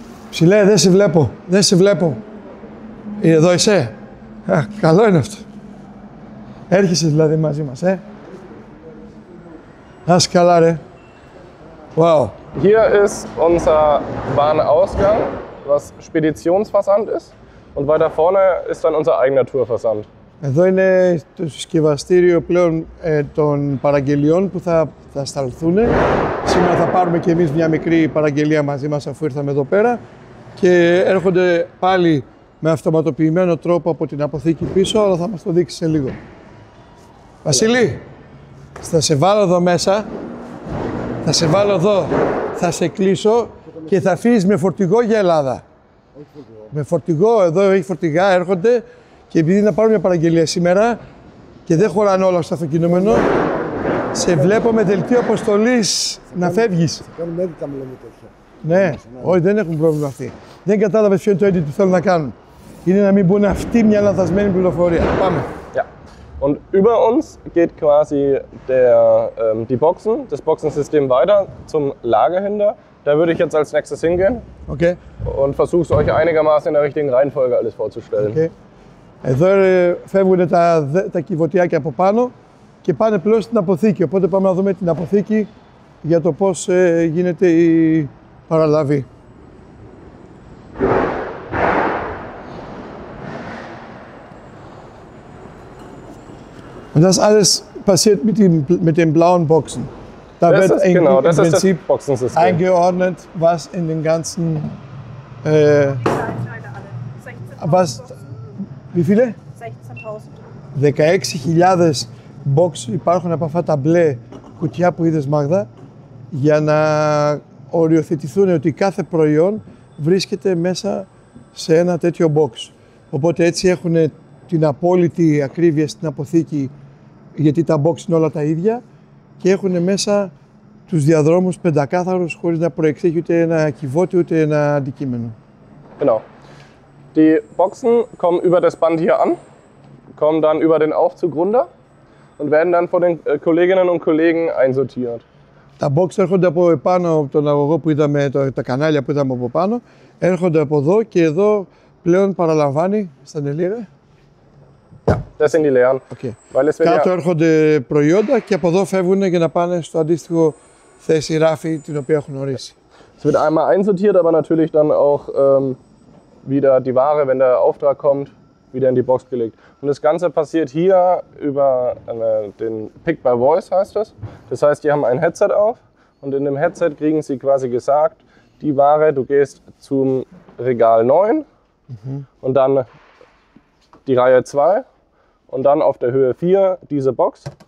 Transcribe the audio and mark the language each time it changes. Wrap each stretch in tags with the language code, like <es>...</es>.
<el>Ψηλέ, δεν σε βλέπω, δεν σε βλέπω. Εδώ είσαι. Καλό είναι αυτό. Έρχεσαι δηλαδή μαζί μας, ε. Ας καλά, ρε. Wow.</el> <de>Hier ist unser Warenausgang, was Speditionsversand ist. Und weiter vorne ist dann unser eigener Tourversand.</de> <el>Εδώ είναι το συσκευαστήριο πλέον των παραγγελιών που θα σταλθούν. Σήμερα θα πάρουμε και εμείς μια μικρή παραγγελία μαζί μας αφού ήρθαμε εδώ πέρα. Και έρχονται πάλι με αυτοματοποιημένο τρόπο από την αποθήκη πίσω, αλλά θα μας το δείξει σε λίγο. Βασίλη, θα σε βάλω εδώ μέσα, θα σε βάλω εδώ, θα σε κλείσω και θα φύγεις με φορτηγό για Ελλάδα. Με φορτηγό, εδώ έχει φορτηγά, έρχονται και επειδή να πάρω μια παραγγελία σήμερα και δεν χωράνε όλα στο αυτοκινούμενο, σε βλέπω με δελτίο αποστολής να φεύγεις. Θα κάνουμε έντυπα με λένε τέτοια. Ναι, όχι, δεν έχουν πρόβλημα αυτοί. Δεν κατάλαβες ποιο είναι το edit που θέλουν να κάνουν. Είναι να μην μπουν αυτοί μια λανθασμένη πληροφορία. Πάμε. Yeah.</el> <de>Und über uns geht quasi die Boxen, das Boxensystem weiter zum Lager hinter. Da würde ich jetzt als nächstes hingehen. Okay. Und versuche es euch einigermaßen in der richtigen Reihenfolge alles vorzustellen. Okay.</de> <el>Εδώ φεύγουν τα κυβωτιάκια από πάνω και πάνε πλέον στην αποθήκη. Οπότε πάμε να δούμε την αποθήκη για το πώς γίνεται η παραλαβή.</el> <de>Und das alles passiert mit den blauen Boxen. Da wird im Prinzip eingeordnet, was in den ganzen was wie viele?</de> <el>16.000 Box υπάρχουν από αυτά τα μπλε κουτιά που είδες Μάγδα για να οριοθετηθούν ότι κάθε προϊόν βρίσκεται μέσα σε ένα τέτοιο box. Οπότε έτσι έχουν την απόλυτη ακρίβεια στην αποθήκη γιατί τα box είναι όλα τα ίδια και έχουν μέσα τους διαδρόμους πεντακάθαρους χωρίς να προεξέχει ούτε ένα κυβότι ούτε ένα αντικείμενο.</el> <de>Genau. Die Boxen kommen über das Band hier an, kommen dann über den Aufzug runter und werden dann von den Kolleginnen und Kollegen einsortiert.</de> <el>Τα box έρχονται από επάνω από τον αγωγό που είδαμε, τα κανάλια που είδαμε από πάνω, έρχονται από εδώ και εδώ πλέον παραλαμβάνει στα νελίρε.</el> <de>Das sind die Lehren. Okay.</de> <el>Κάτω έρχονται προϊόντα και από εδώ φεύγουν για να πάνε στο αντίστοιχο θέση ράφη την οποία έχουν ορίσει.</el> <de>Es wird einmal einsortiert, aber natürlich dann auch wieder die Ware, wenn der Auftrag kommt, wieder in die Box gelegt. Und das Ganze passiert hier über den Pick by Voice heißt das. Das heißt, die haben ein Headset auf und in dem Headset kriegen sie quasi gesagt, die Ware, du gehst zum Regal 9 und dann die Reihe 2 und dann auf der Höhe 4 diese Box.</de>